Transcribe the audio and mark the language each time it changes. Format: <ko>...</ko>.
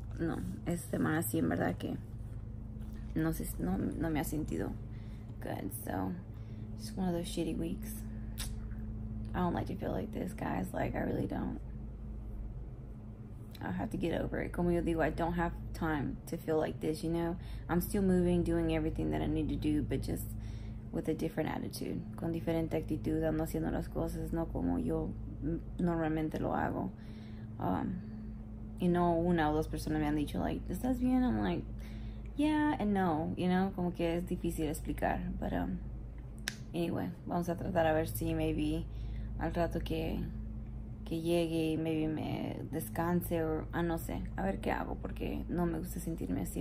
<es>No, esta semana sí, en verdad que no sé, no me ha sentido good.</es> <en>So, just one of those shitty weeks. I don't like to feel like this, guys. Like, I really don't. I have to get over it.</en> <es>Como yo digo,</es> <en>I don't have time to feel like this, you know? I'm still moving, doing everything that I need to do, but just with a different attitude.</en> <es>Con diferente actitud, ando haciendo las cosas, no como yo normalmente lo hago.</es> <en>You know,</en> <es>una o dos personas me han dicho, like, ¿estás bien?</es> <en>I'm like, yeah and no, you know,</en> <es>como que es difícil explicar,</es> <en>but anyway,</en> <es>vamos a tratar a ver si maybe al rato que llegue, maybe me descanse, o no sé, a ver qué hago, porque no me gusta sentirme así.</es>